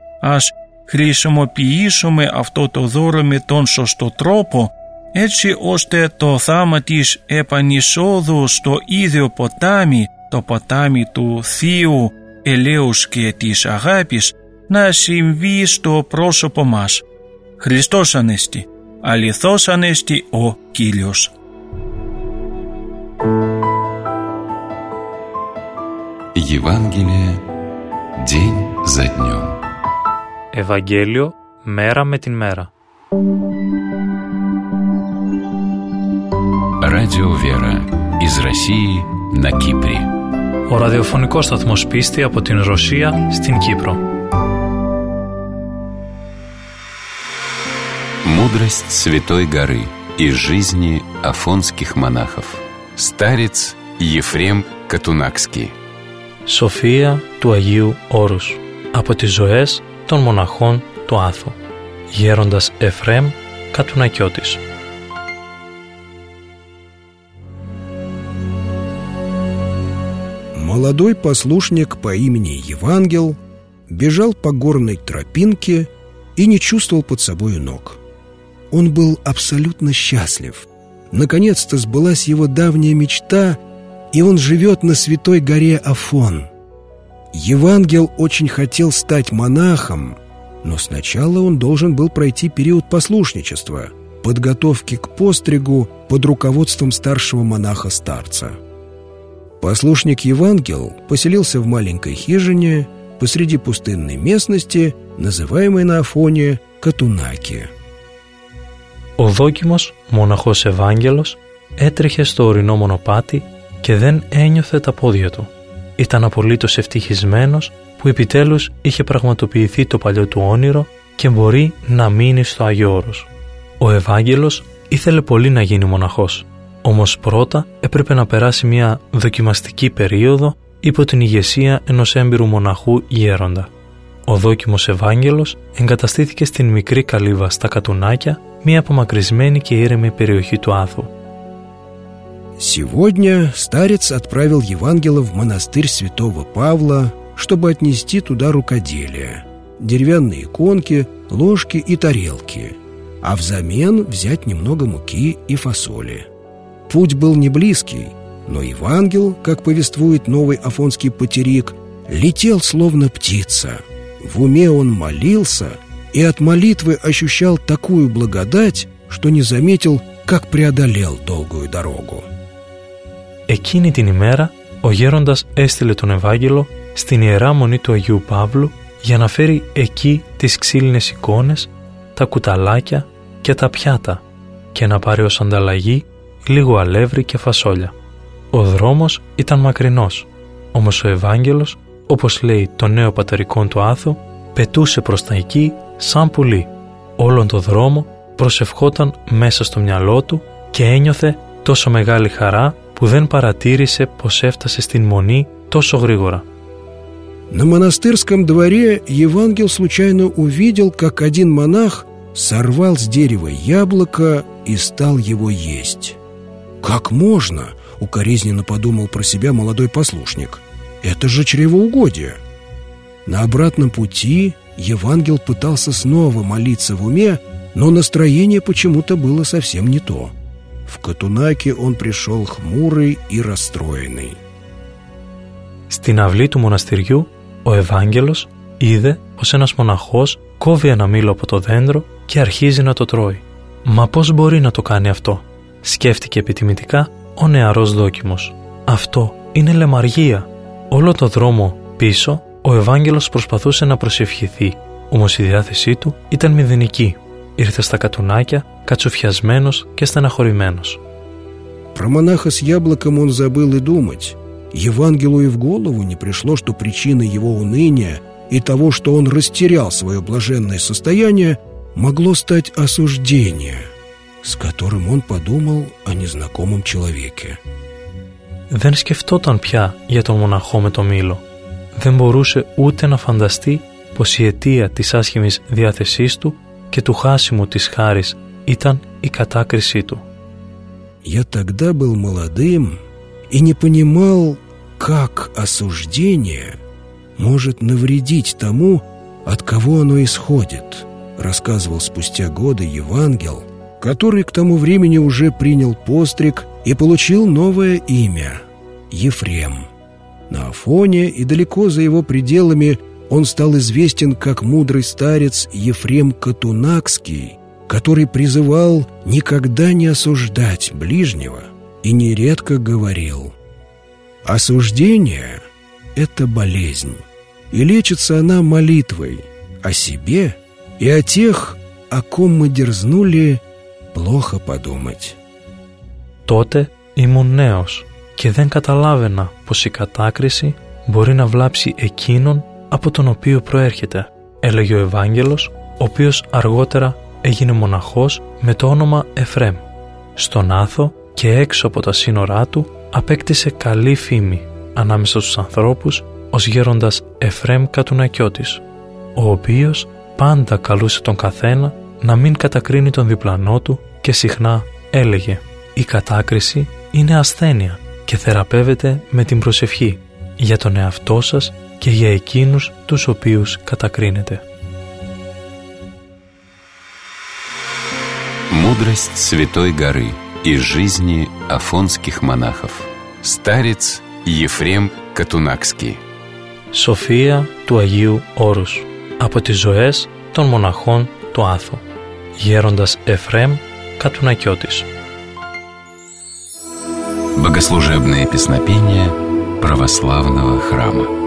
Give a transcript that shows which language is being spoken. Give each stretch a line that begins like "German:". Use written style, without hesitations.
Greek: Ας χρησιμοποιήσουμε αυτό το δώρο με τον σωστό τρόπο, έτσι ώστε το θάμα της επανεισόδου στο ίδιο ποτάμι, το ποτάμι του Θείου Ελέους και της Αγάπης, να συμβεί στο πρόσωπο μας. Χριστός Ανέστη, αληθώς Ανέστη ο Κύριος.
Russian: Ευαγγέλιο, день за днем.
Greek: Ευαγγέλιο, μέρα με την μέρα.
Russian: Радио Вера из России на Кипре.
Greek: Ο ραδιοφωνικός σταθμός πίστη από την Ρωσία στην Κύπρο.
Russian: Мудрость Святой Горы из жизни афонских монахов. Старец Ефрем Катунакский.
Greek: Σοφία του Αγίου Όρους από τις ζωές των μοναχών του Άθου. Γέροντας Εφρέμ Κατουνακιώτης.
Russian: Молодой послушник по имени Евангел бежал по горной тропинке и не чувствовал под собою ног. Он был абсолютно счастлив. Наконец-то сбылась его давняя мечта, и он живет на святой горе Афон. Евангел очень хотел стать монахом, но сначала он должен был пройти период послушничества, подготовки к постригу под руководством старшего монаха-старца. Послушник Евангел поселился в маленькой хижине посреди пустынной местности, называемой на Афоне Катунаки.
Greek: Ο δόκιμος μοναχός Ευάγγελος έτρεχε στο ορεινό μονοπάτι και δεν ένιωθε τα πόδια του. Ήταν απολύτως ευτυχισμένος που επιτέλους είχε πραγματοποιηθεί το παλιό του όνειρο και μπορεί να μείνει στο Άγιο Όρος. Ο Ευάγγελος ήθελε πολύ να γίνει μοναχός. Όμως πρώτα έπρεπε να περάσει μια δοκιμαστική περίοδο υπό την ηγεσία ενός έμπειρου μοναχού γέροντα. Ο δόκιμος Ευάγγελος εγκαταστήθηκε στην μικρή καλύβα στα Κατουνάκια, μια απομακρυσμένη και ήρεμη περιοχή του Άθου.
Russian: Сегодня старец отправил Евангела в монастырь Святого Павла, чтобы отнести туда рукоделие, деревянные иконки, ложки и тарелки, а взамен взять немного муки и фасоли. Путь был не близкий, но Евангел, как повествует новый афонский патерик, летел словно птица. В уме он молился и от молитвы ощущал такую благодать, что не заметил, как преодолел долгую дорогу.
Greek: Εκείνη την ημέρα ο γέροντας έστειλε τον Ευάγγελο στην ιερά μονή του Αγίου Παύλου για να φέρει εκεί τις ξύλινες εικόνες, τα κουταλάκια και τα πιάτα και να πάρει ως ανταλλαγή λίγο αλεύρι και φασόλια. Ο δρόμος ήταν μακρινός, όμως ο Ευάγγελος, όπως λέει το νέο πατερικόν του Άθου, πετούσε προς τα εκεί σαν πουλί. Όλον το δρόμο προσευχόταν μέσα στο μυαλό του και ένιωθε τόσο μεγάλη χαρά που δεν παρατήρησε πως έφτασε στην μονή τόσο γρήγορα.
Russian: На монастырском дворе Евангел случайно увидел, как один монах сорвал с дерева яблоко и стал его есть. «Как можно?» — укоризненно подумал про себя молодой послушник. «Это же чревоугодие!» На обратном пути Евангел пытался снова молиться в уме, но настроение почему-то было совсем не то. В Катунаке он пришел хмурый и расстроенный.
Greek: Στην αυλή του μοναστηριού ο Ευάγγελος είδε πως ένας μοναχός κόβει ένα μήλο από το δέντρο και αρχίζει να το τρώει. «Μα πώς μπορεί να το κάνει αυτό?» σκέφτηκε επιτιμητικά ο νεαρός δόκιμος. «Αυτό είναι λεμαργία». Όλο το δρόμο πίσω ο Ευάγγελος προσπαθούσε να προσευχηθεί, όμως η διάθεσή του ήταν μηδενική. Ήρθε στα Κατουνάκια κατσουφιασμένος και στεναχωρημένος.
Russian: «Про монаха с яблоком он забыл и думать». Евангелу и в голову не пришло, что причина его уныния и того, что он растерял свое блаженное состояние, могло стать осуждение, с которым он подумал о незнакомом человеке.
Greek: Δεν σκεφτόταν πια για τον μοναχό με το μήλο. Δεν μπορούσε ούτε να φανταστεί πως η αιτία της άσχημης διάθεσής του και του χάσιμου της χάρης ήταν η κατάκρισή του.
Russian: Я тогда был молодым и не понимал, как осуждение может навредить тому, от кого оно исходит, рассказывал спустя годы Евангел, который к тому времени уже принял постриг и получил новое имя – Ефрем. На Афоне и далеко за его пределами он стал известен как мудрый старец Ефрем Катунакский, который призывал никогда не осуждать ближнего и нередко говорил: «Осуждение – это болезнь, и лечится она молитвой о себе и о тех, о ком мы дерзнули плохо подумать».
Greek: Τότε ήμουν νέος και δεν καταλάβαινα πως η κατάκριση μπορεί να βλάψει εκείνον από τον οποίο προέρχεται, έλεγε ο Ευάγγελος, ο οποίος αργότερα έγινε μοναχός με το όνομα Εφρέμ. Στον Άθο και έξω από τα σύνορά του απέκτησε καλή φήμη ανάμεσα στους ανθρώπους ως γέροντας Εφρέμ Κατουνακιώτης, ο οποίος πάντα καλούσε τον καθένα να μην κατακρίνει τον διπλανό του και συχνά έλεγε: «Η κατάκριση είναι ασθένεια και θεραπεύεται με την προσευχή για τον εαυτό σας και για εκείνους τους οποίους κατακρίνετε».
Russian: Μούδρεστ Σβητόι Γαρή и жизни афонских монахов. Старец Ефрем Катунакский.
Greek: София του Αγίου Όρους. Από τις ζωές των μοναχών του Άθου. Γέροντας Ефρέμ Катунакιώτης.
Russian: Богослужебные песнопения православного храма.